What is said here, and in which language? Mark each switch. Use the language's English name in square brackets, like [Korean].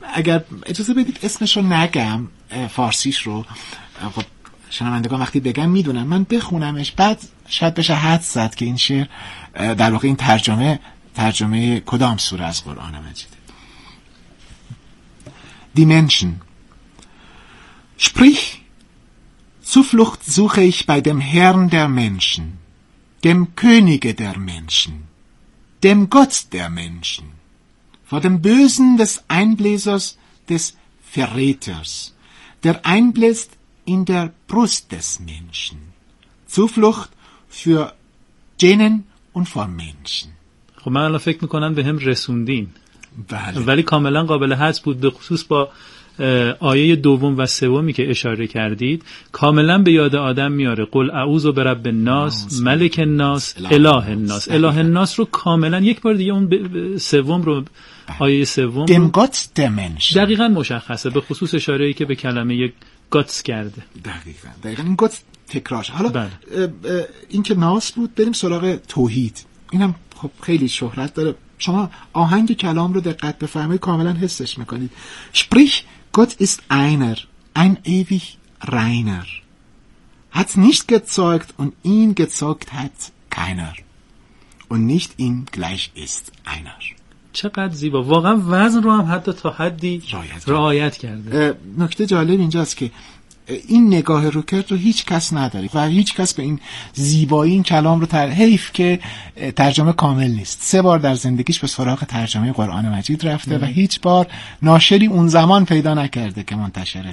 [Persian] اگر اجازه بدید اسمش رو نگم، فارسیش رو، خب شنوندگان وقتی بگم میدونم، من بخونمش بعد شاید بشه حد زد که این شعر در واقع این ترجمه ترجمه کدام سوره از قرآن مجید. Dimension. [German] Sprich, Zuflucht suche ich bei dem Herrn der Menschen, dem Könige der Menschen, dem Gott der Menschen, vor dem Bösen des Einbläsers, des Verräters, der einbläst in der Brust des Menschen. Zuflucht für Genen und vor Menschen. [Persian] خب من الان فکر میکنم به هم رسوندین. بله. ولی کاملا قابل حدس بود، به خصوص با آیه دوم و سومی که اشاره کردید، کاملا به یاد آدم میاره. [Arabic] قل اعوذ برب الناس، ملک الناس، اله الناس. [Persian] اله الناس رو کاملا یک بار دیگه، اون سوم رو، آیه سوم [German] دم گات دمنش [Persian] دقیقاً مشخصه، به خصوص اشاره‌ای که به کلمه گاتس کرده. دقیقاً این گاتس تکرارش. حالا بله. این که ناس بود، بریم سراغ توحید. اینم خب خیلی شهرت داره. شما آهنگ کلام رو دقت بفهمید کاملا حسش میکنید. [German] Sprich, Gott ist einer, ein ewig reiner. Hat nicht gezeugt und ihn gezeugt hat keiner. Und nicht ihm gleich ist einer. [Persian] چقدر زیبا. واقعا وزن رو هم حتی تا حدی رعایت کرده. نکته جالب اینجاست که این نگاه روکرت رو هیچ کس نداره و هیچ کس به این زیبایی این کلام رو حیف که ترجمه کامل نیست. سه بار در زندگیش به سراغ ترجمه قرآن مجید رفته و هیچ بار ناشری اون زمان پیدا نکرده که منتشرش